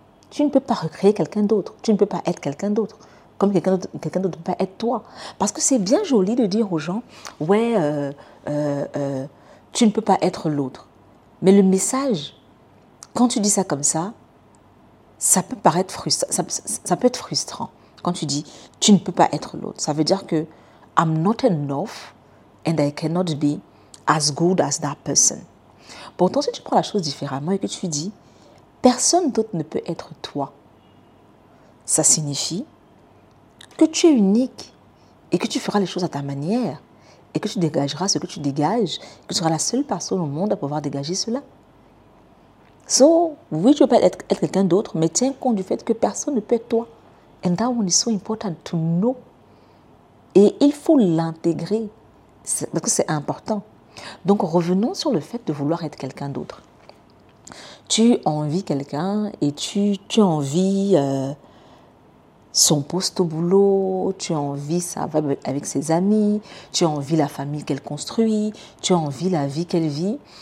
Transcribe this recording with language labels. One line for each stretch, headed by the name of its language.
French: Tu ne peux pas recréer quelqu'un d'autre. Tu ne peux pas être quelqu'un d'autre. Comme quelqu'un d'autre ne peut pas être toi. Parce que c'est bien joli de dire aux gens, ouais, tu ne peux pas être l'autre. Mais le message, quand tu dis ça comme ça, ça peut paraître frustrant. Ça peut être frustrant. Quand tu dis, tu ne peux pas être l'autre. Ça veut dire que,
English: I'm not enough and I cannot be as good as that person.
French: Pourtant, si tu prends la chose différemment et que tu dis, personne d'autre ne peut être toi, ça signifie que tu es unique et que tu feras les choses à ta manière et que tu dégageras ce que tu dégages, que tu seras la seule personne au monde à pouvoir dégager cela. So, oui, tu ne peux pas être quelqu'un d'autre, mais tiens compte du fait que personne ne peut être toi.
English: And that one is so important to know.
French: Et il faut l'intégrer parce que c'est important. Donc, revenons sur le fait de vouloir être quelqu'un d'autre. Tu envies quelqu'un et tu envies son poste au boulot, tu envies sa vibe avec ses amis, tu envies la famille qu'elle construit, tu envies la vie qu'elle vit.